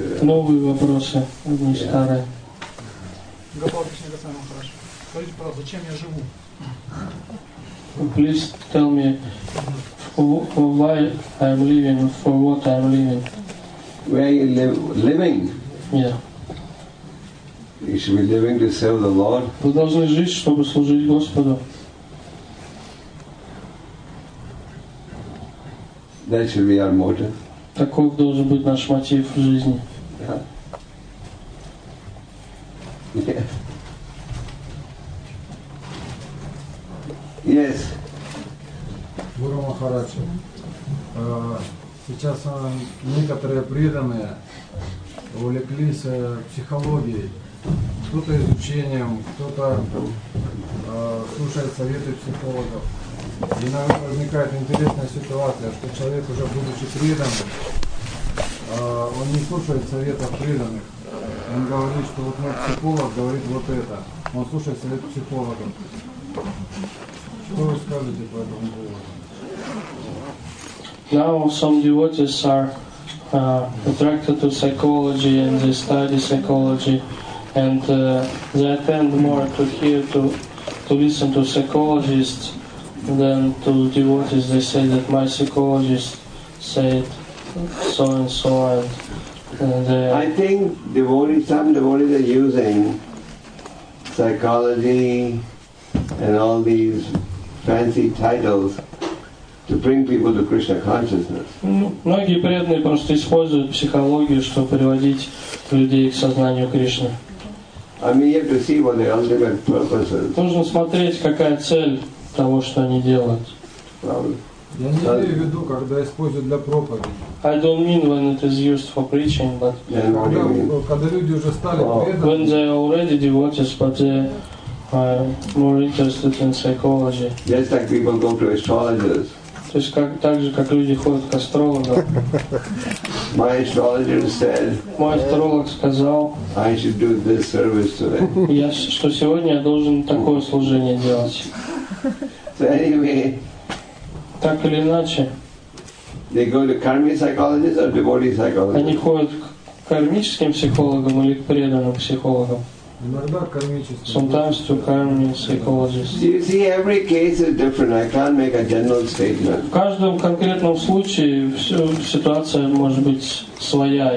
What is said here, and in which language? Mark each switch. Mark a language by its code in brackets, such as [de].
[ru] Новые вопросы, не старые. Гопал Кришна Госвами спрашивает. Скажите, пожалуйста, зачем я живу? [en] Please tell me for why I'm living, for what I'm living. Where you living? Yeah. You should be living to serve the Lord. [ru] Вы должны жить, чтобы служить Господу. [en] That should be our motive. [ru] Таков должен быть наш мотив в жизни. [en] Yeah. Yeah. Yes. [ru] Гуру Махарадж, сейчас некоторые преданные увлеклись психологией, кто-то изучением, кто-то слушает советы психологов. Иногда возникает интересная ситуация, что человек, уже будучи преданным, он не слушает советов преданных. Он говорит, что вот мой психолог говорит вот это. Он слушает совет психолога. Что вы скажете по этому поводу? [en] Now some devotees are attracted to psychology and they study psychology and they attend more to hear to listen to psychologists. Then to devotees, they say that my psychologist said so and so, and I think devotees, some devotees are using psychology and all these fancy titles to bring people to Krishna consciousness. [ru] Многие преданные просто используют психологию, чтобы приводить людей к сознанию Кришны. [en] I mean, you have to see what the ultimate purpose is. [ru] Нужно смотреть, какая цель того, что они делают. Я не имею в виду, когда используют для проповеди. [en] I don't mean when it is used for preaching, but [ru] когда люди уже стали преданными. [en] When they already devotees, but they are more interested in psychology. Just like people go to astrologers. [ru] То есть как так же, как люди ходят к астрологам. [en] My astrologer said. [ru] Мой астролог сказал. [en] I should do this service today. [ru] Я что сегодня я должен такое служение делать. [en] So anyway, [ru] так или иначе, [en] they go to karmic psychologists or devotee psychologists. [ru] Они ходят к кармическим психологам или к преданным психологам. [en] Sometimes to karmic psychologists. You see, every case is different. I can't make a general statement. [ru] В каждом конкретном случае ситуация может быть своя.